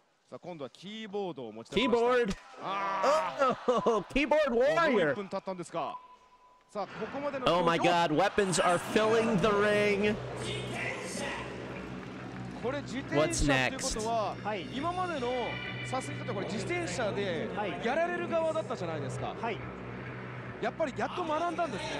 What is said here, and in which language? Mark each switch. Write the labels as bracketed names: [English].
[Japanese] さあ今度はキーボードを持ち出しました。キーボード。キーボードウォーリア。もう1 分経ったんですか。さあここまでの。 [English] Oh my God! Weapons are filling the ring. [Japanese] これ自転車ということは、はい、今までのサスケとこれ自転車でやられる側だったじゃないですか。はい。やっぱりやっと学んだんですね。